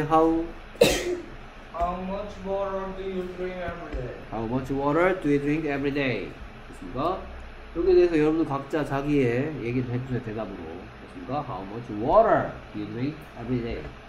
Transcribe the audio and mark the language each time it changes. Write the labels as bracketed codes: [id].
[en] How much water do you drink every day? How much water do you drink every day? [ko] 그렇습니까? 여기에 대해서 여러분들 각자 자기의 얘기를 해주세요. 대답으로. 그렇습니까? [en] How much water do you drink every day?